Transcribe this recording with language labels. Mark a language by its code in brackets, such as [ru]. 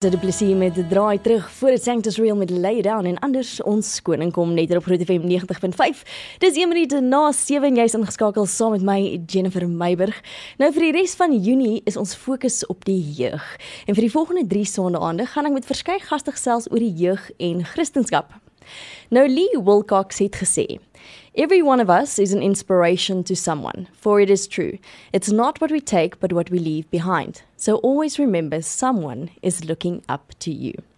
[af] Dit is plesier met die draai terug voor het Sanctus Reel met Lay Down en anders ons koning kom net op Groot FM 90.5. Dis 1 minuut na 7 en jy is ingeskakel saam met my Jennifer Meiburg. Nou vir die res van Junie is ons fokus op die jeug. En vir die volgende 3 sonnaande gaan ek met verskeie gaste gesels oor die jeug en Christendom. Nou Lee Wilcox het gesê: [en] "Every one of us is an inspiration to someone, for it is true. It's not what we take, but what we leave behind. So always remember, someone is looking up to you."